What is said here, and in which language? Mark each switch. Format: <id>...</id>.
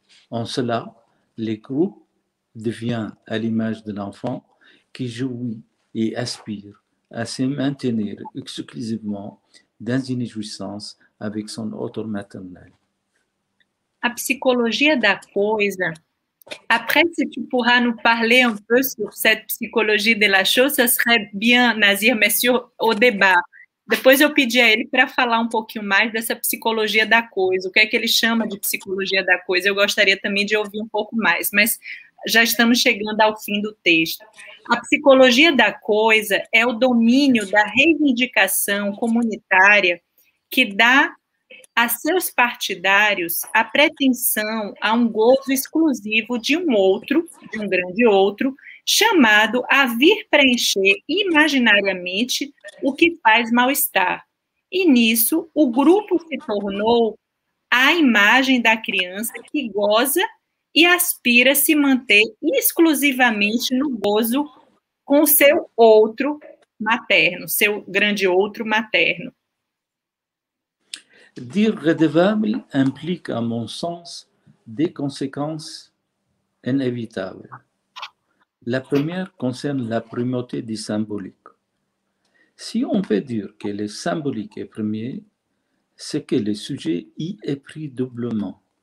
<fr>En cela, le groupe devient à l'image de l'enfant qui jouit et aspire à se maintenir exclusivement dans une jouissance avec son autre maternel.</fr> <pt>A psychologie da coisa.</pt> <fr>Après, si tu pourras nous parler un peu sur cette psychologie de la chose, ça serait bien, Nazir, mais sur au débat.</fr> <pt>Depois eu pedi a ele para falar um pouquinho mais dessa psicologia da coisa. O que é que ele chama de psicologia da coisa? Eu gostaria também de ouvir um pouco mais, mas já estamos chegando ao fim do texto. A psicologia da coisa é o domínio da reivindicação comunitária que dá a seus partidários a pretensão a um gozo exclusivo de um outro, de um grande outro, chamado a vir preencher imaginariamente o que faz mal-estar. E nisso, o grupo se tornou a imagem da criança que goza e aspira se manter exclusivamente no gozo com seu outro materno, seu grande outro materno.</pt> <fr>Dire redevable implique, à mon sens, des conséquences inévitables. La première concerne la primauté du symbolique. Si on peut dire que le symbolique est premier, c'est que le sujet y est pris doublement.</fr>